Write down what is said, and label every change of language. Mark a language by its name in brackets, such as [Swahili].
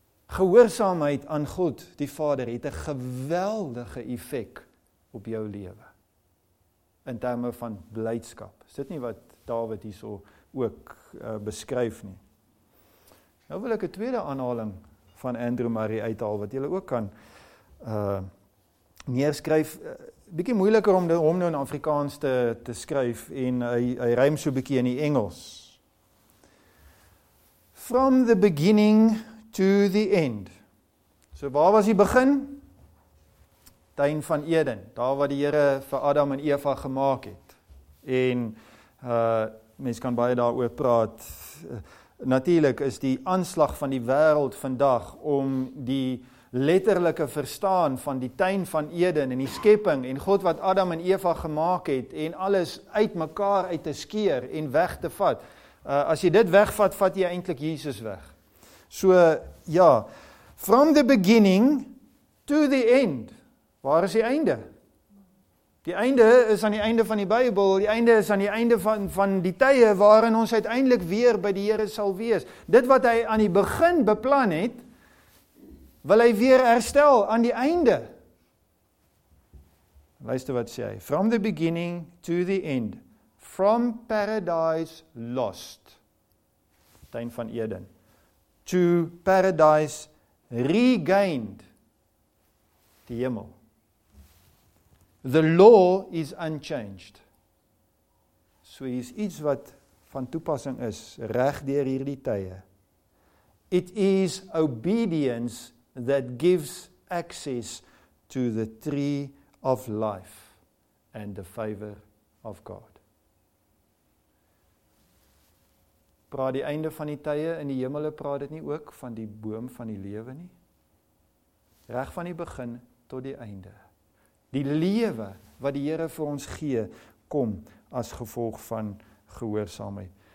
[Afrikaans] Gehoorsaamheid aan God, die Vader, het 'n geweldige effek op jou lewe. In terme van blydskap. Is dit nie wat Dawid hierso ook beskryf nie? Nou wil ek 'n tweede aanhaling van Andrew Murray uithaal, wat julle ook kan neerskryf. Bietjie moeiliker om hom nou in Afrikaans te skryf, en hy ruim so bietjie in die Engels. [English] From the beginning to the end. [Afrikaans] So waar was die begin? Tuin van Eden, daar wat die Here vir Adam en Eva gemaak het. En mens kan baie daaroor praat. Natuurlik is die aanslag van die wêreld vandag om die letterlike verstaan van die tuin van Eden en die skepping en God wat Adam en Eva gemaak het en alles uit mekaar uit te skeer en weg te vat. As jy dit wegvat, vat jy eintlik Jesus weg. [English] So, ja, from the beginning to the end. [Afrikaans] Waar is die einde? Die einde is aan die einde van die Bybel, die einde is aan die einde van die tye waarin ons uiteindelik weer by die Here sal wees. Dit wat hy aan die begin beplan het, wil hy weer herstel aan die einde. Luister wat sê hy, [English] from the beginning to the end, from paradise lost, [Afrikaans] tuin van Eden, [English] to paradise regained, [Afrikaans] die hemel. [English] The law is unchanged. [Afrikaans] So hier is iets wat van toepassing is, reg deur hierdie tye. [English] It is obedience that gives access to the tree of life and the favor of God. [Afrikaans] Praat die einde van die tye in die hemele, praat dit nie ook van die boom van die lewe nie? Reg van die begin tot die einde. Die lewe wat die Here vir ons gee, kom as gevolg van gehoorsaamheid.